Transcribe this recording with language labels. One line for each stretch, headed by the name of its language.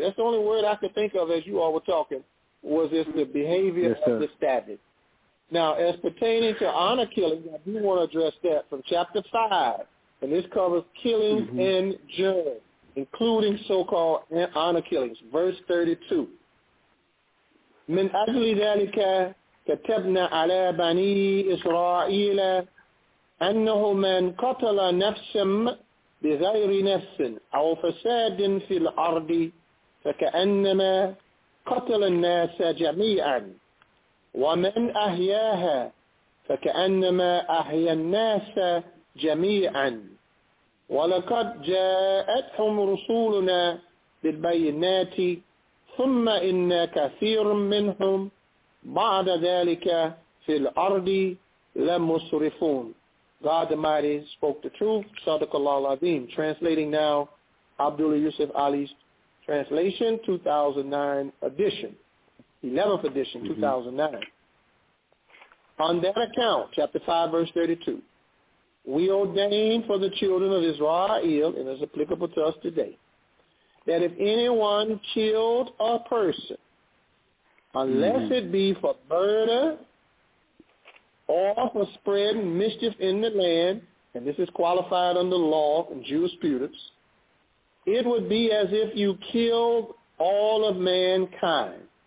English: That's the only word I could think of as you all were talking, was this the behavior yes, of the savage. Now, as pertaining to honor killing, I do want to address that from chapter 5, and this covers killings mm-hmm. in general, including so-called honor killings, verse 32.
Arabic: من أجل ذلك كتبنا على بني إسرائيل أنه من قتل نفسا بغير نفس أو فساد في الأرض فكأنما قتل الناس جميعا ومن أحياها فكأنما أحيا الناس جميعا ولقد جاءتهم رسولنا بالبينات ثم إن كثير منهم بعد ذلك في الأرض لمسرفون.
English: God the Mighty spoke the truth. Sadaq Allah al-Azim. Translating now, Abdul Yusuf Ali's translation, 2009 edition, 11th edition, mm-hmm. 2009. On that account, chapter 5, verse 32, we ordain for the children of Israel, and is applicable to us today, that if anyone killed a person, unless it be for murder or for spreading mischief in the land, and this is qualified under law and jurisprudence, it would be as if you killed all of mankind.